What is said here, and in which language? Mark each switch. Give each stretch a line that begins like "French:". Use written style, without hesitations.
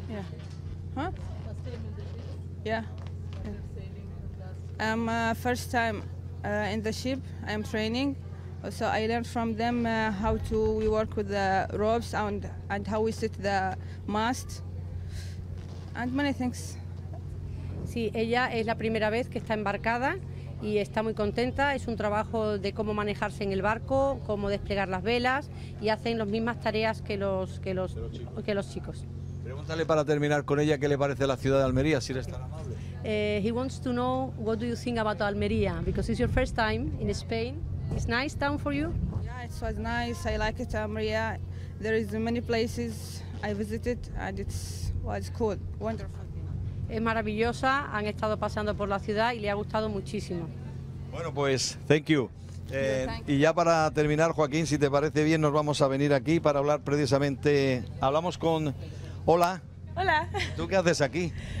English: Yeah. Huh? Same in the ship. Yeah. I'm first time in the ship. I'm training, so I learned from them how to we work with the ropes and how we set the mast and many things.
Spanish: Sí, ella es la primera vez que está embarcada y está muy contenta. Es un trabajo de cómo manejarse en el barco, cómo desplegar las velas, y hacen las mismas tareas que los chicos. Pregúntale para terminar con ella qué le parece la ciudad de Almería, si eres tan amable.
English: He wants to know what do you think about Almería, because it's your first time in Spain. It's nice town for you? Yeah, it was nice. I like it, Almería. There is many places I visited and it was cool, wonderful.
Spanish: Es maravillosa, han estado paseando por la ciudad y le ha gustado muchísimo. Bueno, pues,
English: thank you.
Spanish: Y ya para terminar, Joaquín, si te parece bien, nos vamos a venir aquí para hablar precisamente. Hablamos con... Hola. Hola. ¿Tú qué haces aquí?